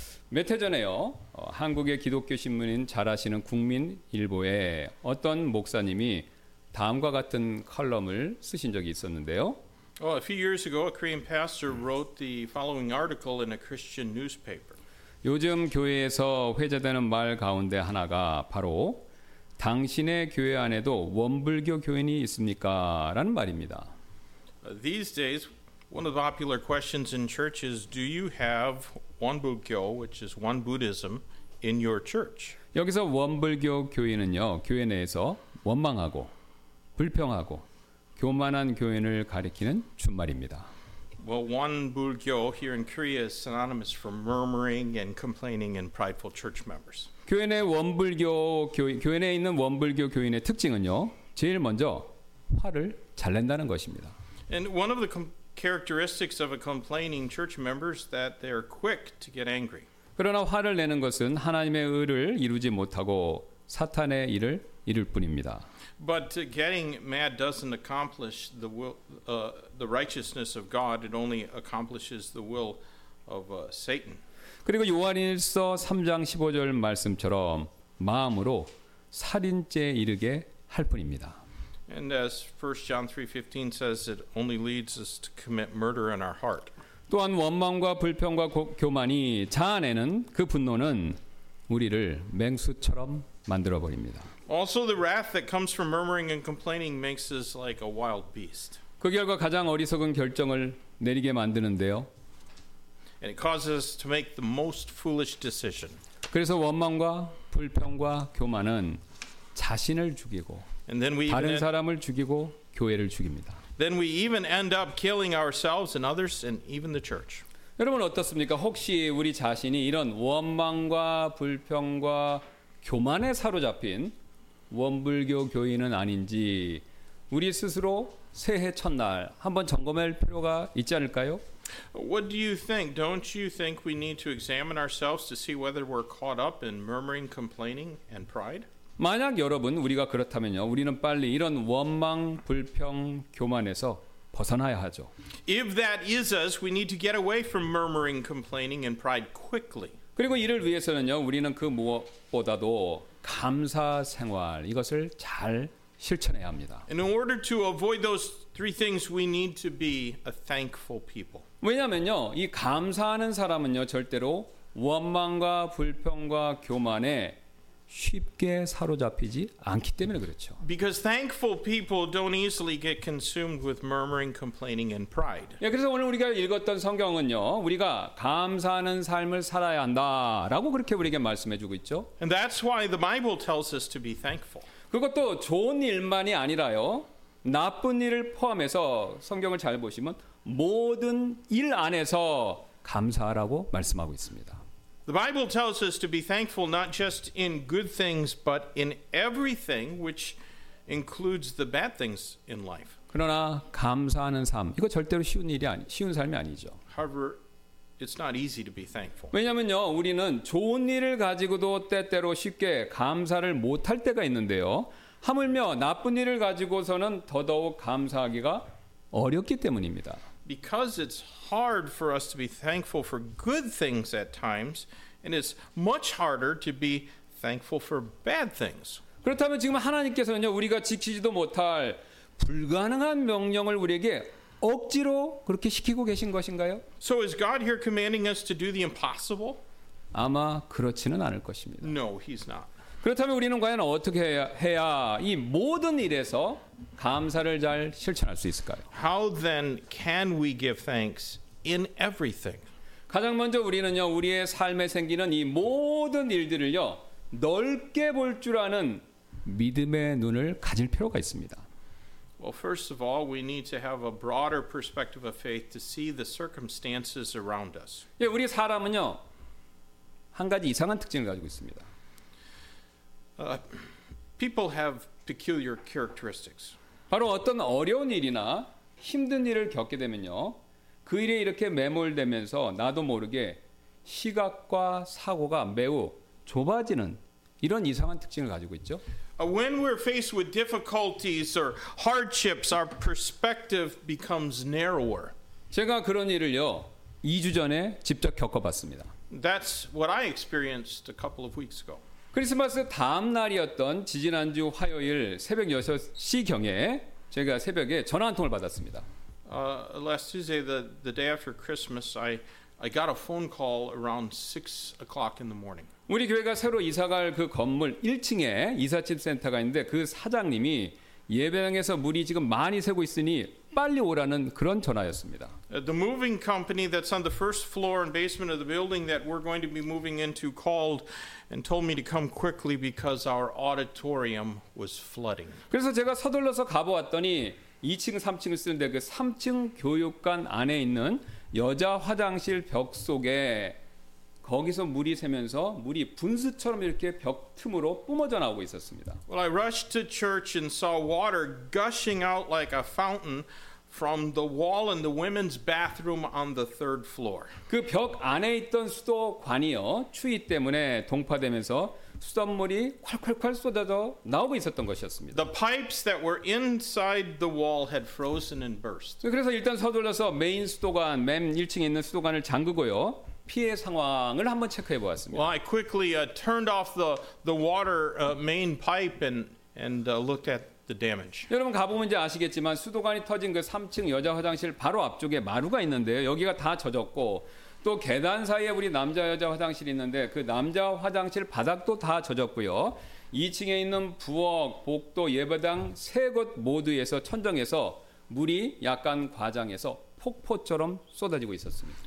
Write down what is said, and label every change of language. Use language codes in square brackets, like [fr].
[ko] 몇 해 전에요, 한국의 기독교 신문인 잘 아시는 국민일보에 어떤 목사님이 다음과 같은 칼럼을 쓰신 적이 있었는데요. [en] A few years ago, a Korean pastor wrote the following article in a Christian newspaper. [ko] 요즘 교회에서 회자되는 말 가운데 하나가 바로 당신의 교회 안에도 원불교 교인이 있습니까? 라는 말입니다. [en] These days, one of the popular questions in church is, do you have 원불교, which is one Buddhism, in your church? [ko] 여기서 원불교 교인은요, 교회 내에서 원망하고 불평하고 교만한 교인을 가리키는 준말입니다. [en] Well, 원불교 here in Korea is synonymous for murmuring and complaining and prideful church members. [ko] 교회 내 원불교 교회 내 있는 원불교 교인의 특징은요, 제일 먼저 화를 잘 낸다는 것입니다. [en] And one of the characteristics of a complaining church member is that they are quick to get angry. [ko] 그러나 화를 내는 것은 하나님의 의를 이루지 못하고 사탄의 일을 이룰 뿐입니다. [en] But getting mad doesn't accomplish the will, the righteousness of God. It only accomplishes the will of Satan. [ko] 그리고 요한일서 3장 15절 말씀처럼 마음으로 살인죄 이르게 할 뿐입니다. [en] And as 1 John 3:15 says, it only leads us to commit murder in our heart. [ko] 또한 원망과 불평과 교만이 자 안에는 그 분노는 우리를 맹수처럼 만들어 버립니다. [en] Also, the wrath that comes from murmuring and complaining makes us like a wild beast. [ko] 그 결과 가장 어리석은 결정을 내리게 만드는데요. [en] And it causes us to make the most foolish decision. [ko] 그래서 원망과 불평과 교만은 자신을 죽이고 [en] and then we [ko] 다른 사람을 죽이고 교회를 죽입니다. [en] Then we even end up killing ourselves and others and even the church. [ko] 여러분 어떻습니까? 혹시 우리 자신이 이런 원망과 불평과 교만에 사로잡힌 원불교 교인은 아닌지 우리 스스로 새해 첫날 한번 점검할 필요가 있지 않을까요? [en] What do you think? Don't you think we need to examine ourselves to see whether we're caught up in murmuring, complaining, and pride? [ko] 만약 여러분 우리가 그렇다면요, 우리는 빨리 이런 원망, 불평, 교만에서 벗어나야 하죠. [en] If that is us, we need to get away from murmuring, complaining, and pride quickly. [ko] 그리고 이를 위해서는요, 우리는 그 무엇보다도 감사 생활 이것을 잘 실천해야 합니다. [en] In order to avoid those three things, we need to be a thankful people. [ko] 왜냐하면요, 이 감사하는 사람은요 절대로 원망과 불평과 교만에 쉽게 사로잡히지 않기 때문에 그렇죠. [en] Because thankful people don't easily get consumed with murmuring, complaining, and pride. [ko] 예, 그래서 오늘 우리가 읽었던 성경은요, 우리가 감사하는 삶을 살아야 한다라고 그렇게 우리에게 말씀해주고 있죠. [en] And that's why the Bible tells us to be thankful. [ko] 그것도 좋은 일만이 아니라요, 나쁜 일을 포함해서 성경을 잘 보시면 모든 일 안에서 감사하라고 말씀하고 있습니다. [en] The Bible tells us to be thankful not just in good things but in everything which includes the bad things in life. [ko] 그러나 감사하는 삶 이거 절대로 쉬운 일이 아니 쉬운 삶이 아니죠. [en] However, it's not easy to be thankful. [ko] 왜냐면요, 우리는 좋은 일을 가지고도 때때로 쉽게 감사를 못 할 때가 있는데요. 하물며 나쁜 일을 가지고서는 더더욱 감사하기가 어렵기 때문입니다. [en] Because it's hard for us to be thankful for good things at times, And it's much harder to be thankful for bad things. [ko] 그렇다면 지금 하나님께서는요, 우리가 지키지도 못할 불가능한 명령을 우리에게 억지로 그렇게 시키고 계신 것인가요? [en] So is God here commanding us to do the impossible? [ko] 아마 그렇지는 않을 것입니다. [en] No, he's not. [ko] 그렇다면 우리는 과연 어떻게 해야 이 모든 일에서 감사를 잘 실천할 수 있을까요? [en] How then can we give thanks in everything? [ko] 가장 먼저 우리는요, 우리의 삶에 생기는 이 모든 일들을요, 넓게 볼 줄 아는 믿음의 눈을 가질 필요가 있습니다. [en] Well, first of all, we need to have a broader perspective of faith to see the circumstances around us. [ko] 예, 우리 사람은요, 한 가지 이상한 특징을 가지고 있습니다. [en] People have peculiar characteristics. [ko] 바로 어떤 어려운 일이나 힘든 일을 겪게 되면요, 그 일에 이렇게 매몰되면서 나도 모르게 시각과 사고가 매우 좁아지는 이런 이상한 특징을 가지고 있죠. [en] When we're faced with difficulties or hardships, our perspective becomes narrower. [ko] 제가 그런 일을요, 2주 전에 직접 겪어봤습니다. [en] That's what I experienced a couple of weeks ago. [ko] 크리스마스 다음 날이었던 지지난주 화요일 새벽 6시 경에 제가 새벽에 전화 한 통을 받았습니다. [en] Last Tuesday, the day after Christmas, I got a phone call around 6 o'clock in the morning. [ko] 우리 교회가 새로 이사갈 그 건물 1층에 이삿짐 센터가 있는데 그 사장님이 예배당에서 물이 지금 많이 새고 있으니 빨리 오라는 그런 전화였습니다. [en] The moving company that's on the first floor and basement of the building that we're going to be moving into called and told me to come quickly because our auditorium was flooding. [ko] 그래서 제가 서둘러서 가보았더니 2층, 3층을 쓰는데 그 3층 교육관 안에 있는 여자 화장실 벽 속에 거기서 물이 새면서 물이 분수처럼 이렇게 벽 틈으로 뿜어져 나오고 있었습니다. [en] Well, I rushed to church and saw water gushing out like a fountain from the wall in the women's bathroom on the third floor. [ko] 그 벽 안에 있던 수도관이요, 추위 때문에 동파되면서 수돗물이 콸콸콸 쏟아져 나오고 있었던 것이었습니다. [en] The pipes that were inside the wall had frozen and burst. [ko] 그래서 일단 서둘러서 메인 수도관, 맨 1층에 있는 수도관을 잠그고요. 피해 상황을 한번 체크해 보았습니다. [en] Well, I quickly turned off the water main pipe and looked at the damage. [ko] 여러분 가보면 이제 아시겠지만 수도관이 터진 그 3층 여자 화장실 바로 앞쪽에 마루가 있는데요. 여기가 다 젖었고 또 계단 사이에 우리 남자 여자 화장실이 있는데 그 남자 화장실 바닥도 다 젖었고요. 2층에 있는 부엌, 복도, 예배당 세 곳 모두에서 천정에서 물이 약간 과장해서 폭포처럼 쏟아지고 있었습니다.